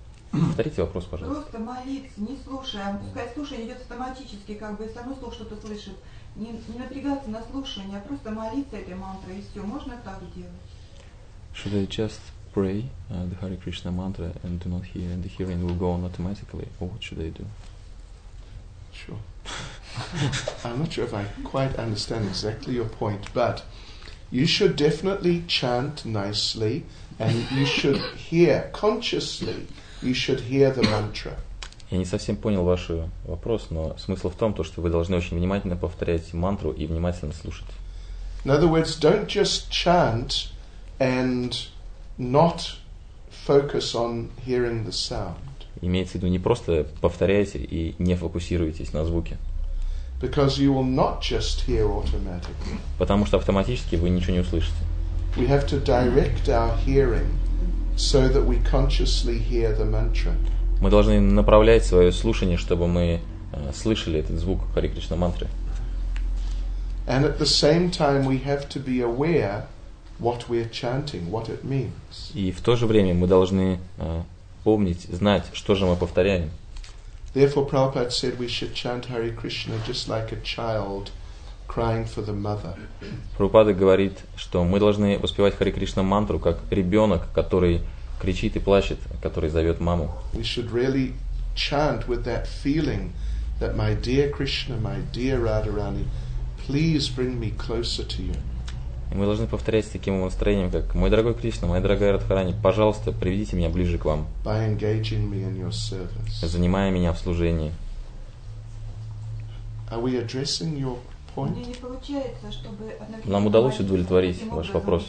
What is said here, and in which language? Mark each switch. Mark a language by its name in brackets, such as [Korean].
[Russian] Повторите вопрос, пожалуйста. Просто молиться, не слушая. Пускай слушание идет автоматически, как бы само слово что-то слышит. Не напрягаться на слушание, а просто молиться этой мантрой, и все. Можно так делать? [English] Should I just pray the Hare Krishna mantra and do not hear, and the hearing will go on automatically? Or what should I do? Sure. I'm not sure if I quite understand exactly your point, but you should definitely chant nicely, and you should hear consciously. You should hear the mantra. [Russian] Я не совсем понял ваш вопрос, но смысл в том, то, что вы должны очень внимательно повторять мантру и внимательно слушать. [English] In other words, don't just chant and not focus on hearing the sound. [Russian] Имеется в виду не просто повторяйте и не фокусируйтесь на звуке. [English] Because you will not just hear automatically. [Russian] Потому что автоматически вы ничего не услышите. [English] We have to direct our hearing. So that we consciously hear the mantra. [Russian] Мы должны направлять свое слушание, чтобы мы слышали этот звук Хари Кришна мантры. [English] And at the same time we have to be aware what we're chanting, what it means. [Russian] И в то же время мы должны помнить, знать, что же мы повторяем. [English] Therefore Prabhupada said we should chant Hare Krishna just like a child crying for the mother. [Russian] Прабхупада говорит, что мы должны воспевать Хари Кришна мантру как ребенок, который кричит и плачет, который зовет маму. [English] We should really chant with that feeling that my dear Krishna, my dear Radharani, please bring me closer to you. [Russian] Мы должны повторять с таким настроением, как «Мой дорогой Кришна, моя дорогая Радхарани, пожалуйста, приведите меня ближе к вам, занимая меня в служении». Мне не получается, чтобы... Нам удалось удовлетворить ваш вопрос.